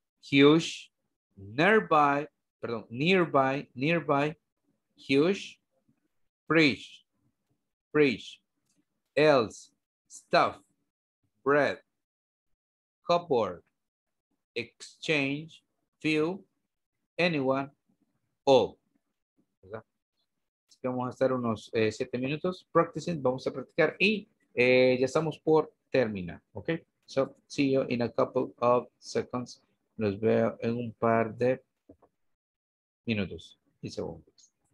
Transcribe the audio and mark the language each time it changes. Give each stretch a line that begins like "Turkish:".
English: Huge, nearby, perdón, nearby, nearby, huge, fridge, fridge, else, stuff, bread, cupboard, exchange, few, anyone, all. ¿Verdad?
Spanish: Así que vamos a estar unos 7 minutos practicing, vamos a practicar y ya estamos por terminar, ¿ok?
English: So, see you in a couple of seconds.
Spanish: Los veo en un par de minutos y segundos.